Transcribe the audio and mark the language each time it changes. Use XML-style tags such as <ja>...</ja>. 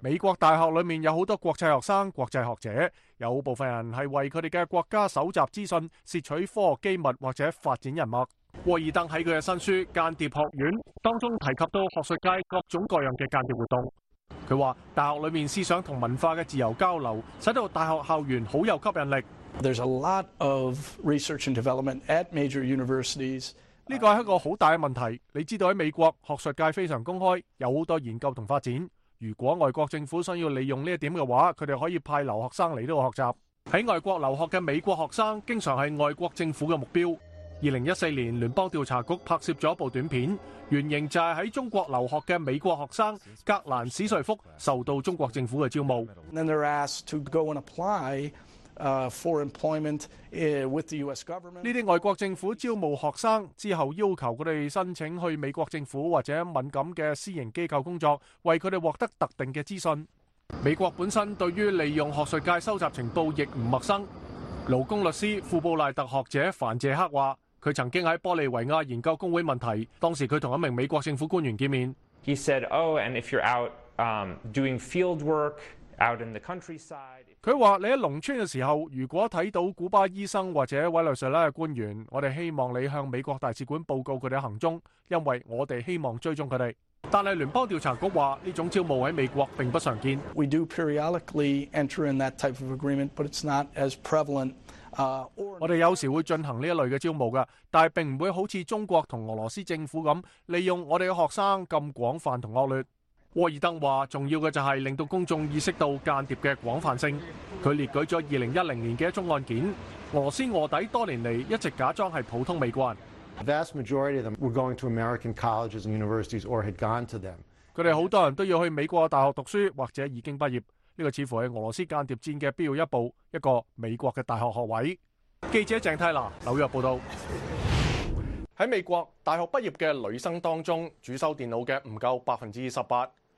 <zh>美国大学里面有很多国际学生、国际学者，有部分人是为他们的国家搜集资讯、摄取科学机密或者发展人脉。沃尔登在他的新书《间谍学院》当中提及到学术界各种各样的间谍活动。他说大学里面思想和文化的自由交流使到大学校园很有吸引力。</zh> <en>There's a lot of research and development at major universities.</en> <zh>这个是一个很大的问题。你知道在美国学术界非常公开，有很多研究和发展。如果外国政府想要利用这一点的话，他们可以派留学生来这里学习。在外国留学的美国学生经常是外国政府的目标。 2014年联邦调查局拍摄了一部短片，原型就是在中国留学的美国学生格兰史瑞福受到中国政府的招募。</zh> <en>Then they're asked to go and apply for employment with the US government.</en> <zh>这些外国政府招募学生之后，要求他们申请去美国政府或者敏感的私营机构工作，为他们获得特定的资讯。美国本身对于利用学术界收集情报亦不陌生。劳工律师库布赖特学者凡谢克说，他曾经在玻利维亚研究工会问题，当时他和一名美国政府官员见面。</zh> <en>He said, "Oh, and if you're out doing field work out in the countryside,"</en> <zh>他说你在农村的时候，如果看到古巴医生或者委内瑞拉的官员，我们希望你向美国大使馆报告他们的行踪，因为我们希望追踪他们。但是联邦调查局说这种招募在美国并不常见。</zh> <en>We do periodically enter in that type of agreement, but it's not as prevalent.</en> <zh>我们有时会进行这一类的招募的，但是并不会好像中国和俄罗斯政府那样利用我们的学生这么广泛和恶劣。沃尔登说重要的就是令到公众意识到间谍的广泛性。他列举了2010年的一宗案件，俄罗斯卧底多年来一直假装是普通美国人。</zh> <en>The vast majority of them were going to American colleges and universities or had gone to them.</en> <zh>他们很多人都要去美国大学读书或者已经毕业，这个似乎是俄罗斯间谍战的必要一步，一个美国的大学学位。记者郑蒂娜，纽约报道。在美国大学毕业的女生当中，主修电脑的不够18%，</zh>